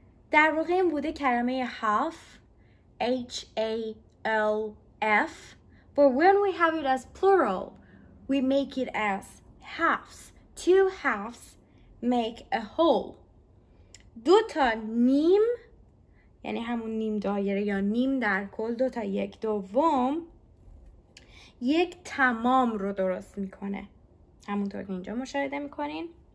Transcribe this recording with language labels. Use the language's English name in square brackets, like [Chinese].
[Persian] در واقع این بوده کلمه half, H-A-L-F. [English] But when we have it as plural, we make it as halves. Two halves make a whole. [Persian] دو تا نیم، یعنی همون نیم دایره یا نیم در کل، دو تا یک دوم، یک تمام رو درست میکنه. همونطور که اینجا مشاهده میکنین.